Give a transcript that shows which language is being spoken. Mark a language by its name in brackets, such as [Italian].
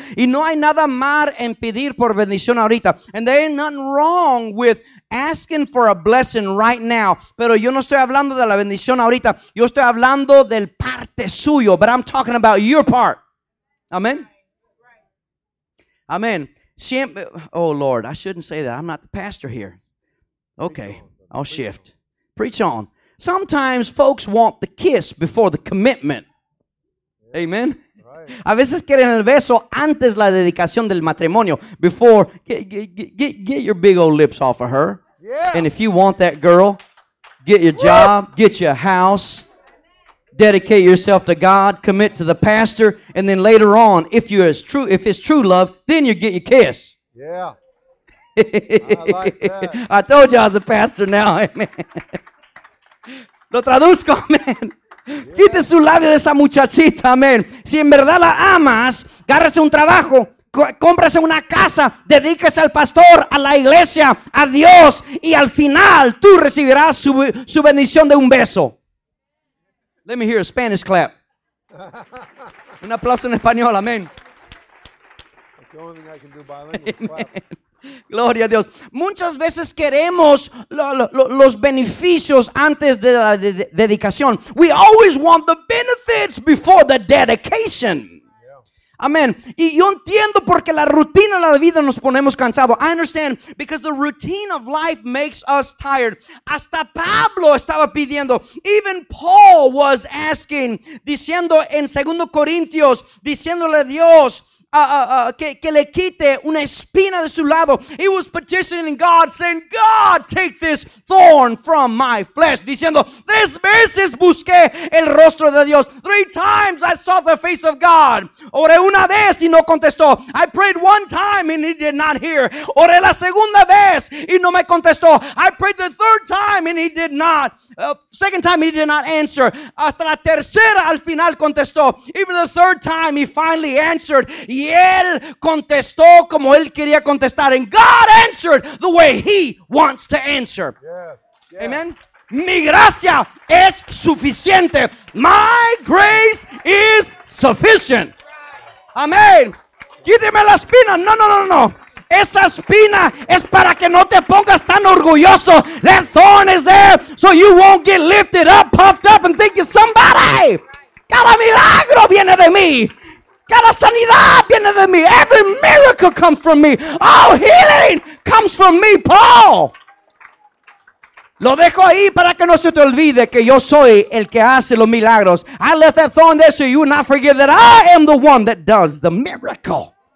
[Spanish] Y no hay nada mal en pedir por bendición ahorita. [English] And there ain't nothing wrong with asking for a blessing right now. [Spanish] Pero yo no estoy hablando de la bendición ahorita. Yo estoy hablando del parte suyo, [English] but I'm talking about your part. [Spanish] Amen? Amen. [English] Siempre, oh, Lord, I shouldn't say that. I'm not the pastor here. Okay, I'll shift. Preach on. Sometimes folks want the kiss before the commitment. Yeah. Amen. [Spanish] A veces quieren el beso antes la dedicación del matrimonio. [English] Before, get your big old lips off of her. Yeah. And if you want that girl, get your job, get your house, dedicate yourself to God, commit to the pastor, and then later on, if you're as true, if it's true love, then you get your kiss. Yeah. I like that. I told you I was a pastor now, amen. [Spanish] Lo traduzco, amen. Quite su labio de esa muchachita, amen. Si en verdad la amas, gárrese un trabajo, cómprase una casa, dedíquese al pastor, a la iglesia, a Dios, y al final tú recibirás su, su bendición de un beso. [English] Let me hear a Spanish clap. [Spanish] Un aplauso en español, [English] amen. That's the only thing I can do bilingual, clap. [Spanish] Gloria a Dios. Muchas veces queremos los beneficios antes de la dedicación. [English] We always want the benefits before the dedication. Yeah. [Spanish] Amen. Y yo entiendo porque la rutina de la vida nos ponemos cansados. [English] I understand because the routine of life makes us tired. [Spanish] Hasta Pablo estaba pidiendo. [English] Even Paul was asking, [Spanish] diciendo en 2 Corintios, diciéndole a Dios, que le quite una espina de su lado. [English] He was petitioning God, saying, God, take this thorn from my flesh. [Spanish] Diciendo, tres veces busqué el rostro de Dios. [English] Three times I sought the face of God. [Spanish] Oré una vez y no contestó. [English] I prayed one time and he did not hear. [Spanish] Oré la segunda vez y no me contestó. [English] I prayed the third time and he did not. Second time he did not answer. [Spanish] Hasta la tercera al final contestó. [English] Even the third time he finally answered. [Spanish] Y él contestó como él quería contestar. [English] And God answered the way he wants to answer. Yeah, yeah. [Spanish] Amen. Mi gracia es suficiente. [English] My grace is sufficient. Right. [Spanish] Amen. Quíteme la espina. No, no, no, no. Esa espina es para que no te pongas tan orgulloso. [English] That thorn is there so you won't get lifted up, puffed up, and think you're somebody. [Spanish] Cada milagro viene de mí. Cada sanidad viene de mí. [English] Every miracle comes from me. All healing comes from me, Paul. [Spanish] Lo dejo ahí para que no se te olvide que yo soy el que hace los milagros. [English] I left that thorn there so you will not forget that I am the one that does the miracle.